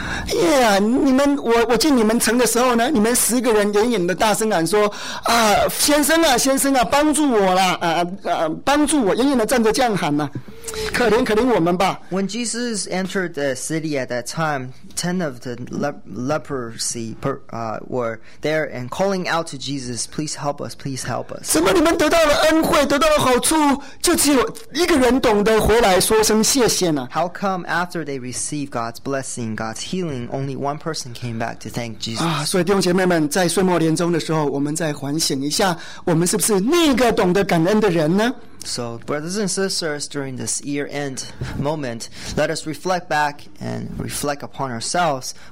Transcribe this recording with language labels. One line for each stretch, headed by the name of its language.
Chinese: Yeah, 你们, 我进你们城的时候呢, 你们十个人远远的大声喊说, 啊, 先生啊, 先生啊, 帮助我啦, 啊, 啊, 帮助我, 远远的站着这样喊啊, 可怜, 可怜我们吧。
English: When Jesus entered the city at that time, 10 of the leprosy were there and calling out to Jesus, please help us, please help us.
Chinese: 什么你们得到了恩惠, 得到了好处, 就只有一个人懂得回来说声谢谢呢。
English: How come after they received God's blessing, God's healing, only one person came back to thank Jesus?
Chinese: 所以弟兄姐妹们, 在岁末年终的时候, 我们再反省一下, 我们是不是那个懂得感恩的人呢？
English: So, brothers and sisters, during this year-end moment, let us reflect back and reflect upon ourselves.